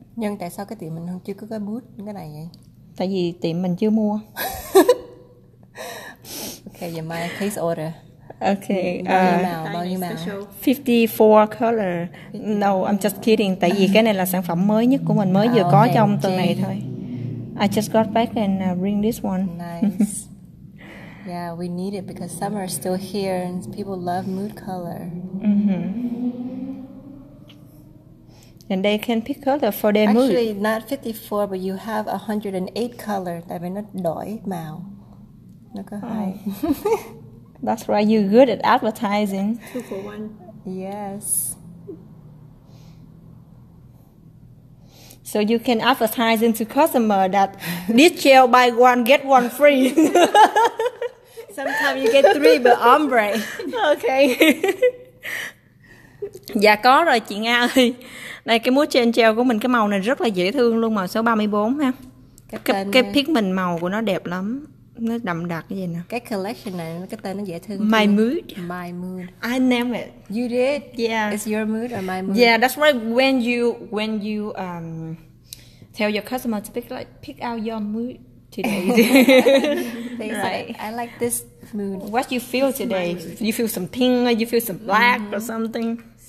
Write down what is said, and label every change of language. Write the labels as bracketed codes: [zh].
[vi] Nhưng tại sao cái tiệm mình chưa có cái bút cái này vậy? Tại vì tiệm mình chưa mua. Ok, giờ mai place order. [en] Ok, [vi] bao nhiêu màu? [en] 54 color. No, I'm just kidding. [vi] Tại vì cái này là sản phẩm mới nhất của mình, mới vừa có trong tuần này thôi. [en] I just got back and bring this one. Nice. Yeah, we need it because summer is still here and people love mood color. And they can pick color for their actually, mood. Actually, not 54, but you have 108 color. Tại vì nó đổi màu. Nó có hai. That's right, you're good at advertising. 2 for 1. Yes. So you can advertise to customer that this gel buy one get one free. Sometimes you get three but ombre. Okay. [vi] Dạ có rồi chị Nga ơi. Đây cái mousse trên gel của mình, cái màu này rất là dễ thương luôn, màu số 34 ha. Cái pigment màu của nó đẹp lắm. Nó đậm đặc cái gì nè. Cái collection này cái tên nó dễ thương. [en] My thương. Mood. My mood. I name it. You did. Yeah. It's your mood or my mood. Yeah, that's why when you tell your customer to pick out your mood today. Right. I like this mood. What you feel it's today? You feel some pink or you feel some black or something?